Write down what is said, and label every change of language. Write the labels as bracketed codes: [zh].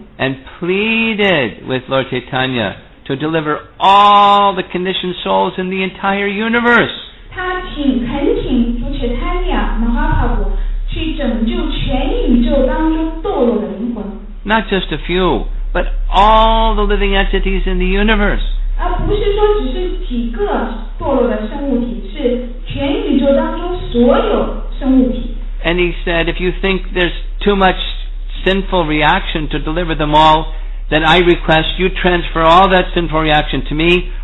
[en] And pleaded with Lord Chaitanya to deliver all the conditioned souls in the entire universe. [zh] 他恳请 Lord Chaitanya Mahaprabhu 去拯救全宇宙当中堕落的灵魂。 [en] Not just a few, but all the living entities in the universe. [zh] 而不是说只是几个堕落的生物体，是全宇宙当中所有生物体。 [en] And he said, if you think there's too much sinful reaction to deliver them all, then I request you transfer all that sinful reaction to me.